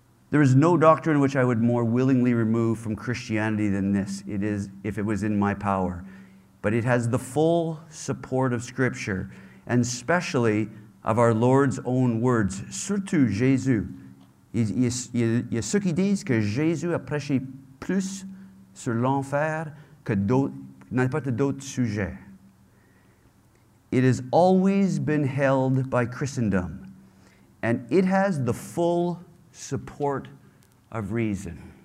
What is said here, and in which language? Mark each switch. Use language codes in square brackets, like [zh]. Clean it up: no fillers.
[en] There is no doctrine which I would more willingly remove from Christianity than this, it is if it was in my power. But it has the full support of Scripture, and especially of our Lord's own words. [fr] Surtout Jésus. Il y a ceux qui disent que Jésus a prêché plus sur l'enfer que n'importe d'autres sujets. [en] It has always been held by Christendom, and it has the full support of reason.